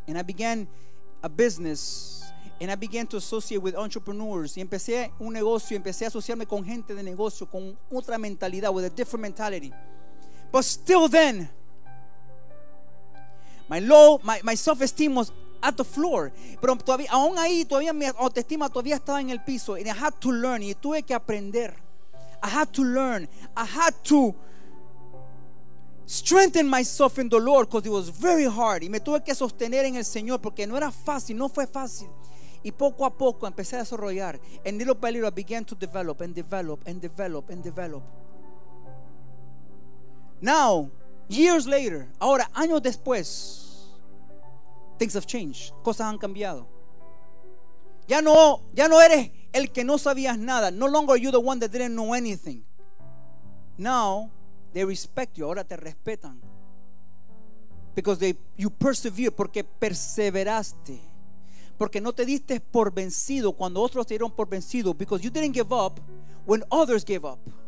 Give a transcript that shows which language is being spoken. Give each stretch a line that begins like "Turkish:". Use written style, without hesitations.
English: And I began a business, and I began to associate with entrepreneurs.
Spanish: Y empecé un negocio, empecé a asociarme con gente de negocio, con otra mentalidad,
English: with a different mentality. But still then, my self-esteem was at the floor.
Spanish: Pero todavía, aún ahí, todavía mi autoestima todavía estaba en el piso.
English: And I had to learn,
Spanish: y tuve que aprender.
English: I had to learn, I had to strengthen myself in the Lord, because it was very hard.
Spanish: Y me tuve que sostener en el Señor, porque no era fácil, no fue fácil. Y poco a poco empecé a desarrollar.
English: And little by little I began to develop and develop and develop and develop. Now, years later,
Spanish: ahora años después,
English: things have changed.
Spanish: Cosas han cambiado. Ya no eres el que no sabías nada.
English: No longer are you the one that didn't know anything. Now they respect you.
Spanish: Ahora te respetan.
English: Because you persevere.
Spanish: Porque perseveraste. Porque no te diste por vencido cuando otros te dieron por vencido.
English: Because you didn't give up when others gave up.